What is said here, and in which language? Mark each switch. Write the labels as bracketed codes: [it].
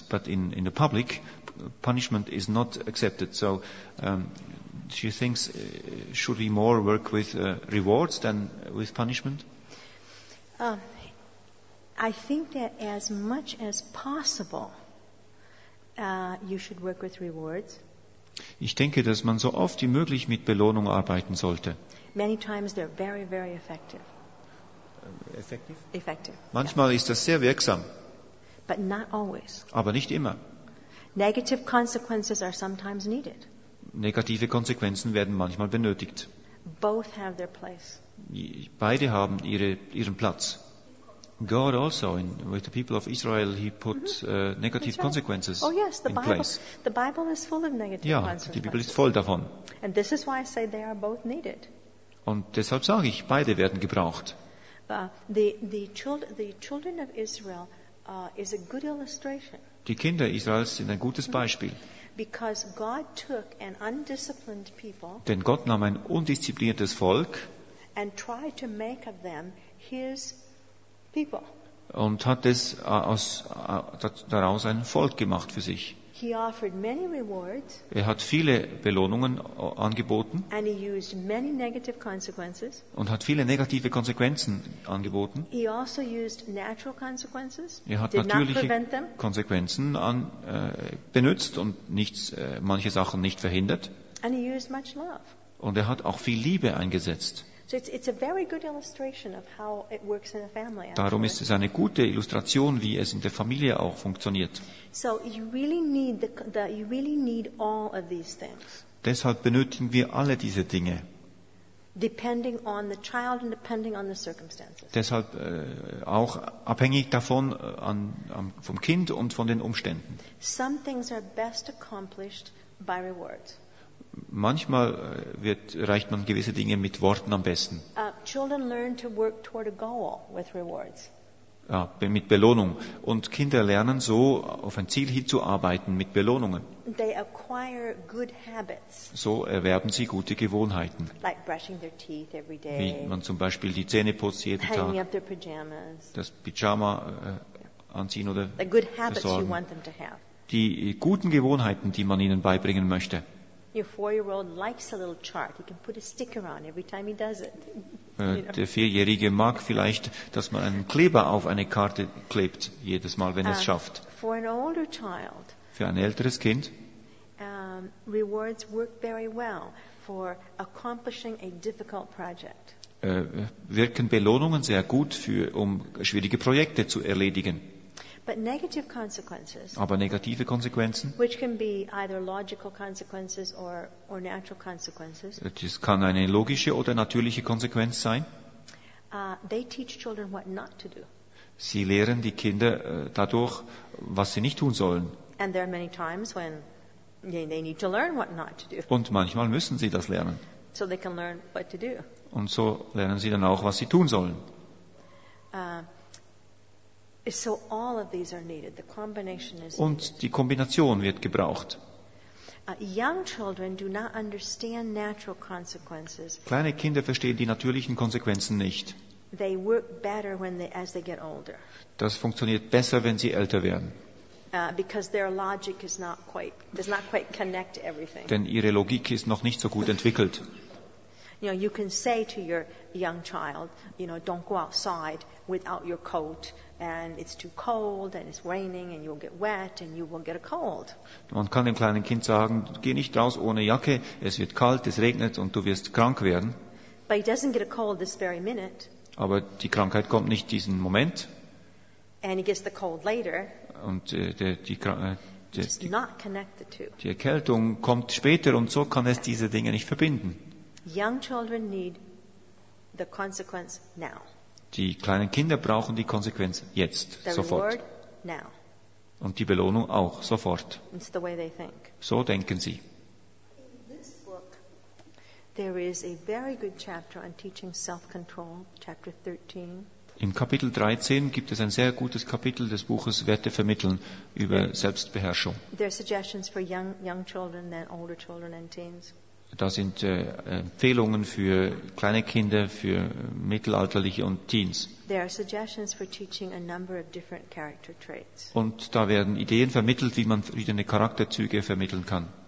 [en] But in the public, punishment is not accepted. So she thinks, should we more work with rewards than with punishment? I think that as much as possible, you should work with rewards. [de] Ich denke, dass man so oft wie möglich mit Belohnung arbeiten sollte. [en] Many times they're very, very effective. [de] Effective. Manchmal ist das sehr wirksam. [en] But not always. [de] Aber nicht immer. [en] Negative consequences are sometimes needed. [de] Negative Konsequenzen werden manchmal benötigt. [en] Both have their place. [de] Beide haben ihren Platz. [en] God also, with the people of Israel, he put negative consequences in place. Oh yes, the Bible is full of negative consequences. [de] Ja, die Bibel ist voll davon. [en] And this is why I say they are both needed. [de] Und deshalb sage ich, beide werden gebraucht. [en] The children of Israel is a good illustration. [de] Die Kinder Israels sind ein gutes Beispiel. [en] Because God took an undisciplined people. [de] Denn Gott nahm ein undiszipliniertes Volk. [en] And tried to make of them his people. [de] Und hat es daraus ein Volk gemacht für sich. [en] He offered many rewards. [de] Er hat viele Belohnungen angeboten. [en] And he used many negative consequences. [de] Und hat viele negative Konsequenzen angeboten. [en] He also used natural consequences. [de] Er hat natürliche Konsequenzen benutzt und manche Sachen nicht verhindert. [en] And he used much love. [de] Und er hat auch viel Liebe eingesetzt. [en] So it's a very good illustration of how it works in a family. [de] Darum ist es eine gute Illustration, wie es in der Familie auch funktioniert. [en] So you really need you really need all of these things. [de] Deshalb benötigen wir alle diese Dinge. [en] Depending on the child and depending on the circumstances. [de] Deshalb auch abhängig davon vom Kind und von den Umständen. [en] Some things are best accomplished by rewards. [de] Manchmal reicht man gewisse Dinge mit Worten am besten. [en] Children learn to work toward a goal with rewards. [de] Ja, mit Belohnung. Und Kinder lernen so, auf ein Ziel hinzuarbeiten mit Belohnungen. [en] They acquire good habits. [de] So erwerben sie gute Gewohnheiten. [en] Like brushing their teeth every day. [de] Wie man zum Beispiel die Zähne putzt jeden [en] Hanging [de] Tag. [en] Up their pajamas. [de] Das Pyjama anziehen oder [en] the good habits [de] besorgen. [en] You want them to have. [de] Die guten Gewohnheiten, die man ihnen beibringen möchte. [en] Your four-year-old likes a little chart. He can put a sticker on every time he does it. [de] Der Vierjährige mag vielleicht, dass man einen Kleber auf eine Karte klebt, jedes Mal, wenn es schafft. [en] For an older child, [de] für ein älteres Kind, [en] rewards work very well for accomplishing a difficult project. [de] Wirken Belohnungen sehr gut, um schwierige Projekte zu erledigen. [en] But negative consequences, [de] aber negative Konsequenzen, [en] which can be either logical consequences or natural consequences, [de] das kann eine logische oder natürliche Konsequenz sein. [en] They teach children what not to do. [de] Sie lehren die Kinder dadurch, was sie nicht tun sollen. [en] And there are many times when they need to learn what not to do. [de] Und manchmal müssen sie das lernen. [en] So they can learn what to do. [de] Und so lernen sie dann auch, was sie tun sollen. [en] So all of these are needed. The combination is [de] und die Kombination wird gebraucht. [en] Young children do not understand natural consequences. [de] Kleine Kinder verstehen die natürlichen Konsequenzen nicht. [en] They work better as they get older. [de] Das funktioniert besser, wenn sie älter werden. [en] Because their logic is not quite, does not quite connect everything. [de] Denn ihre Logik ist noch nicht so gut entwickelt. [en] You know, you can say to your young child, you know, don't go outside without your coat. And it's too cold and it's raining and you'll get wet and you will get a cold. [de] Man kann dem kleinen Kind sagen, geh nicht raus ohne Jacke, es wird kalt, es regnet und du wirst krank werden. [en] But he doesn't get a cold this very minute. [de] Aber die Krankheit kommt nicht diesen Moment. [en] And he gets the cold later. [de] Und die Erkältung kommt später und so kann es diese Dinge nicht verbinden. [en] Young children need the consequence now. [de] Die kleinen Kinder brauchen die Konsequenz jetzt, [en] the [de] sofort. [en] Reward, now. [de] Und die Belohnung auch, sofort. [en] It's the way they think. [de] So denken sie. [en] In this book, there is a very good chapter on teaching self-control, chapter 13. [de] In Kapitel 13 gibt es ein sehr gutes Kapitel des Buches Werte vermitteln über Selbstbeherrschung. [en] There are suggestions for young children, then older children and teens. [de] Da sind Empfehlungen für kleine Kinder, für mittelalterliche und Teens. [en] There are suggestions for teaching a number of different character traits. [de] Und da werden Ideen vermittelt, wie man verschiedene Charakterzüge vermitteln kann.